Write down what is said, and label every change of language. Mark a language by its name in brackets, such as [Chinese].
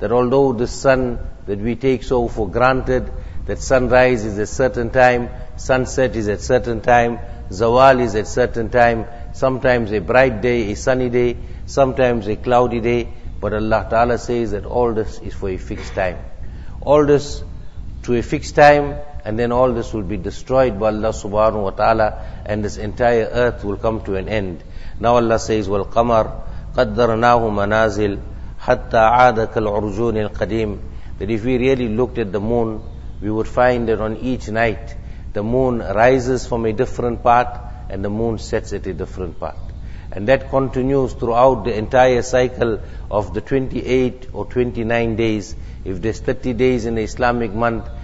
[English] That although the sun that we take so for granted, that sunrise is at certain time, sunset is at certain time, zawal is at certain time, sometimes a bright day, a sunny day, sometimes a cloudy day, but Allah Ta'ala says that all this is for a fixed time. All this to a fixed time, and then all this will be destroyed by Allah Subhanahu wa Ta'ala, and this entire earth will come to an end. Now Allah says, [Arabic] وَالْقَمَرْ قَدَّرْنَاهُ مَنَازِلْ حَتَّى عَادَ كَالْعُرْجُونِ الْقَدِيمِ. [English] That if we really looked at the moon, we would find that on each night, the moon rises from a different part and the moon sets at a different part. And that continues throughout the entire cycle of the 28 or 29 days. If there's 30 days in the Islamic month,